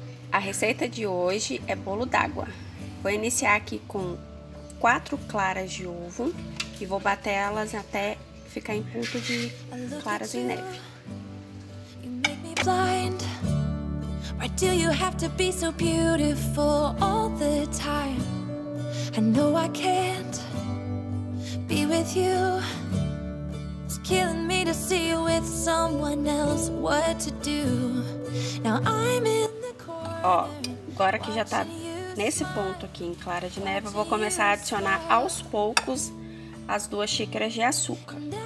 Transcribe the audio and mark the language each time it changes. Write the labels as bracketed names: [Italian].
[Portuguese] A receita de hoje é bolo d'água. Vou iniciar aqui com 4 claras de ovo e vou bater elas até ficar em ponto de claras em neve. [English] You make me blind. Why do you have to be so beautiful all the time? I know I can't be with you. It's killing me to see you with someone else. What to do? Now I'm in. [Portuguese] Ó, agora que já tá nesse ponto aqui em clara de neve, eu vou começar a adicionar aos poucos as 2 xícaras de açúcar.